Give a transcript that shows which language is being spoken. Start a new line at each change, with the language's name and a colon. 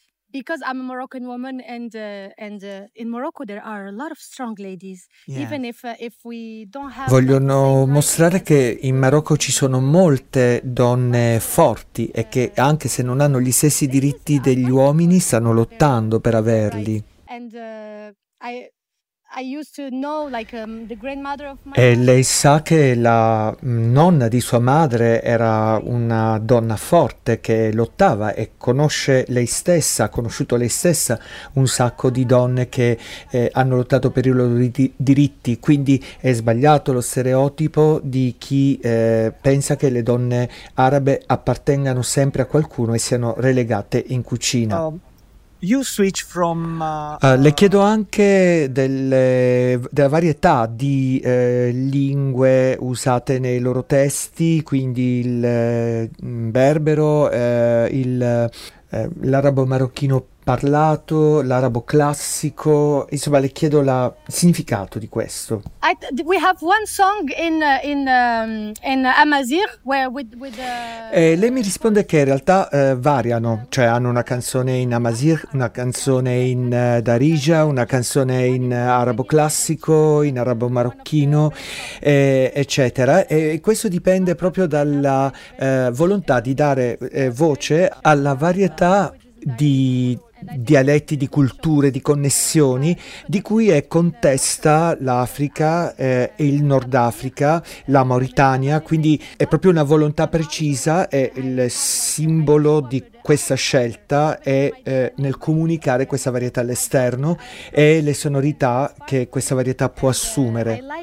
English: Because I'm a Moroccan woman and in Morocco there are a lot of strong ladies. Yeah. Even if we don't have.
Italian: Vogliono mostrare che in Marocco ci sono molte donne forti e che anche se non hanno gli stessi diritti degli uomini stanno lottando per averli.
English: And I used to know, like, the grandmother of my...
Italian: E lei sa che la nonna di sua madre era una donna forte che lottava e conosce lei stessa, ha conosciuto lei stessa un sacco di donne che hanno lottato per i loro diritti, quindi è sbagliato lo stereotipo di chi pensa che le donne arabe appartengano sempre a qualcuno e siano relegate in cucina. Le chiedo anche della varietà di lingue usate nei loro testi, quindi il berbero, l'arabo marocchino parlato, l'arabo classico, insomma le chiedo il significato di questo.
English: We have one song in Amazigh where with
Italian: lei mi risponde che in realtà variano, cioè hanno una canzone in Amazigh, una canzone in Darija, una canzone in arabo classico, in arabo marocchino, eccetera, e questo dipende proprio dalla volontà di dare voce alla varietà di dialetti, di culture, di connessioni di cui è contesta l'Africa e il Nord Africa, la Mauritania, quindi è proprio una volontà precisa, è il simbolo di questa scelta è nel comunicare questa varietà all'esterno e le sonorità che questa varietà può assumere.